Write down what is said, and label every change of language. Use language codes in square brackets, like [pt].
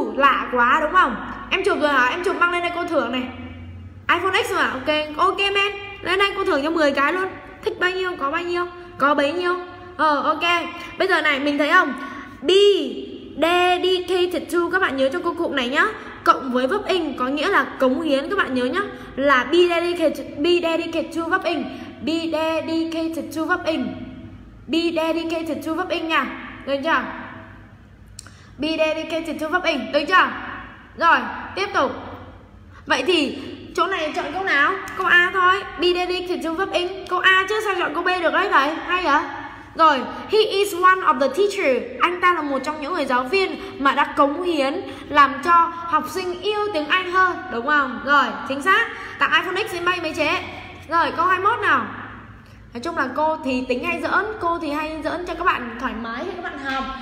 [vi] Lạ quá đúng không? Em chụp rồi hả? Em chụp mang lên đây cô thưởng này. iPhone X rồi à? Ok. Ok man. Lên đây cô thưởng cho 10 cái luôn. Thích bao nhiêu, có bao nhiêu, có bấy nhiêu. Ờ ok. Bây giờ này mình thấy không? [en] Be dedicated to. [vi] Các bạn nhớ cho cô cụm này nhá. Cộng với verb in có nghĩa là cống hiến. Các bạn nhớ nhá. Là [en] be dedicated to verb in. Be dedicated to verb in. Be dedicated to verb in [vi] nha. Được chưa? [en] Be dedicated to verb in. [vi] Được chưa? Rồi, tiếp tục. Vậy thì chỗ này chọn câu nào? Câu A thôi. [en] Be dedicated to verb in. [vi] Câu A chứ sao chọn câu B được đấy vậy? Hay hả? Rồi, [en] he is one of the teacher. [vi] Anh ta là một trong những người giáo viên mà đã cống hiến làm cho học sinh yêu tiếng Anh hơn, đúng không? Rồi, chính xác. Tặng iPhone X đi bay mấy chế. Rồi, câu 21 nào. Nói chung là cô thì tính hay giỡn, cô thì hay giỡn cho các bạn thoải mái khi các bạn học.